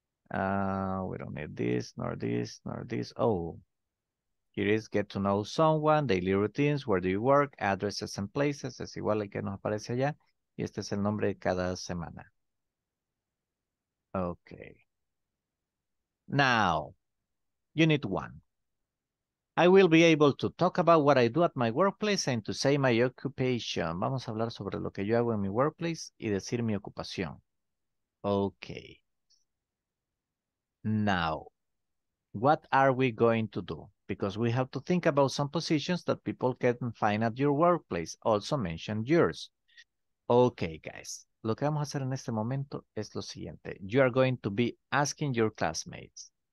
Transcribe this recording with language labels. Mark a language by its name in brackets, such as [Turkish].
[English] We don't need this, nor this, nor this. Oh. Here is get to know someone, daily routines, where do you work, addresses and places. [Spanish] Es igual al que nos aparece allá. Y este es el nombre de cada semana. [English] Okay. Now, unit 1. I will be able to talk about what I do at my workplace and to say my occupation. [Spanish] Vamos a hablar sobre lo que yo hago en mi workplace y decir mi ocupación. [English] Okay. Now, what are we going to do? Because we have to think about some positions that people can find at your workplace. Also mention yours. Okay, guys. [Spanish] Lo que vamos a hacer en este momento es lo siguiente. [English] You are going to be asking your classmates.